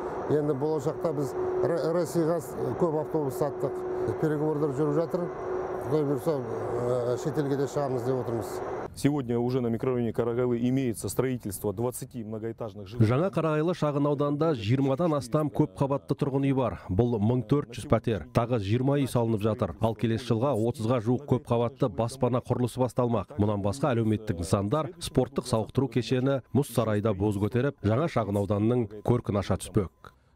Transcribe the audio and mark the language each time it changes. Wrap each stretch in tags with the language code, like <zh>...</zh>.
<kk>Енді болашақта біз Ресейге көп автобус саттық, переговорлар жүріп жатыр, құдай бұйырса шетелге де шығамыз деп отырмыз.</kk> <ru>Сегодня уже на микрорайоне Қарағайлы имеется строительство 20 многоэтажных жилых.</ru> <kk>Жаңа Қарағайлы шағын ауданында 20-дан астам көп қабатты тұрғын үй бар. Бұл 1400 пәтер. Тағы 20 үй салынып жатыр. Ал келесі жылға 30-ға жуық көп қабатты баспана құрылысы басталмақ. Мұнан басқа әлеуметтік нысандар, спорттық сауықтыру кешені, мұз сарайда боз көтеріп, жаңа шағын ауданның көркін аша түспек.</kk>